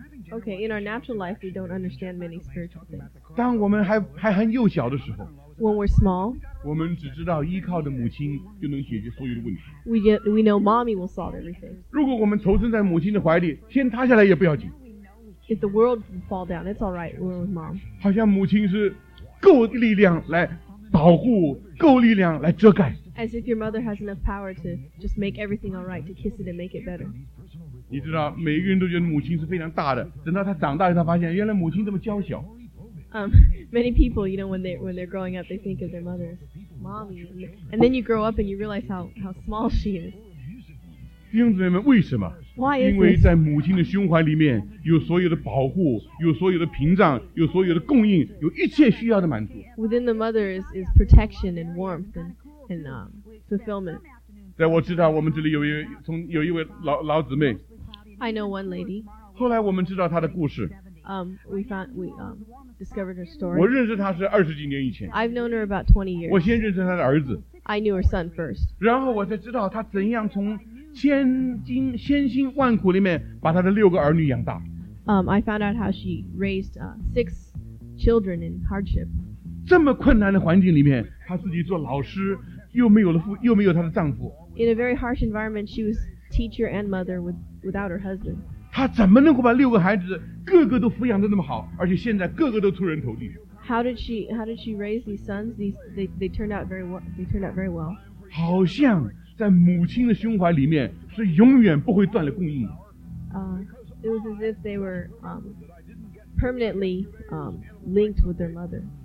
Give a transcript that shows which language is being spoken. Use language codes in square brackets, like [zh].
[en] Okay, in our natural life, we don't understand many spiritual things. [zh] 当我们还很幼小的时候 [en] When we're small, [zh] 我们只知道依靠着母亲就能解决所有的问题 [en] We know mommy will solve everything. [zh] 如果我们投身在母亲的怀里，天塌下来也不要紧 [en] If the world fall down, it's all right. We're with mom. [zh] 好像母亲是够力量来保护，够力量来遮盖。 [en] As if your mother has enough power to just make everything all right, to kiss it and make it better. [zh] 你知道，每一个人都觉得母亲是非常大的。等到他长大了，他发现原来母亲这么娇小。 [en] Many people, you know, when they're growing up, they think of their mother as mommy, and then you grow up and you realize how small she is. [zh] 弟兄姊妹们，为什么？因为在母亲的胸怀里面有所有的保护，有所有的屏障，有所有的供应，有一切需要的满足。 [en] Within the mother is protection and warmth and fulfillment. [zh] 在我知道我们这里有一位 老姊妹。 [en] I know one lady. [zh] 后来我们知道她的故事。 [en] We discovered her story. [zh] 我认识她是二十几年以前。 [en] I've known her about 20 years. [zh] 我先认识她的儿子。 [en] I knew her son first. [zh] 然后我才知道她怎样从千辛万苦里面把她的六个儿女养大。 [en] I found out how she raised six children in hardship. [zh] 这么困难的环境里面，她自己做老师，又没有她的丈夫。 [en] In a very harsh environment, she was teacher and mother without her husband. [zh] 她怎么能够把六个孩子个个都抚养得那么好，而且现在个个都出人头地？ [en] How did she raise these sons? They turned out very well. [zh] 好像。在母亲的胸怀里面是永远不会断了供应。 [en] It was as if they were permanently linked with their mother.